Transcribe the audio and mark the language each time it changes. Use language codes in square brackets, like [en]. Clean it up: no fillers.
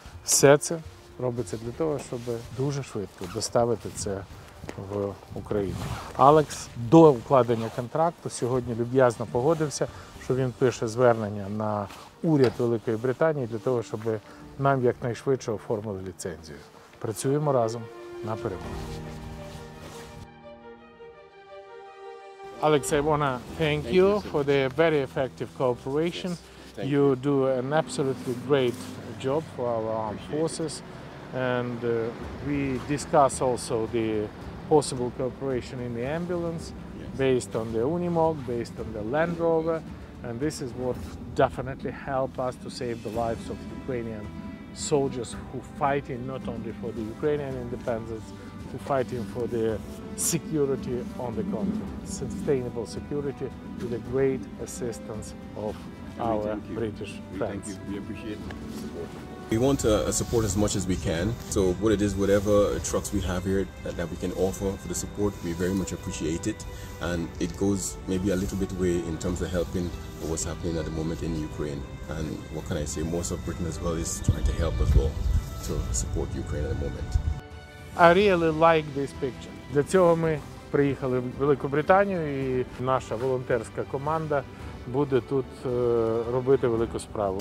[uk] Все це робиться для того, щоб дуже швидко доставити це в Україну. Алекс до укладення контракту сьогодні люб'язно погодився, що він пише звернення на уряд Великої Британії для того, щоб нам якнайшвидше оформили ліцензію. Працюємо разом на перемогу. [en] Alex, I want to thank you for the very effective cooperation. Yes, you do an absolutely great job for our armed forces. And we discuss also the possible cooperation in the ambulance, based on the Unimog, based on the Land Rover. And this is what definitely helped us to save the lives of Ukrainian soldiers who fighting not only for the Ukrainian independence, to fighting for the security on the continent, sustainable security, with the great assistance of our British friends. Thank you. We appreciate the support. We want to support as much as we can. So what it is, whatever trucks we have here that we can offer for the support, we very much appreciate it. And it goes maybe a little bit way in terms of helping what's happening at the moment in Ukraine. And what can I say, most of Britain as well is trying to help as well to support Ukraine at the moment. I really like this picture. [uk] Для цього ми приїхали в Велику Британію і наша волонтерська команда буде тут робити велику справу.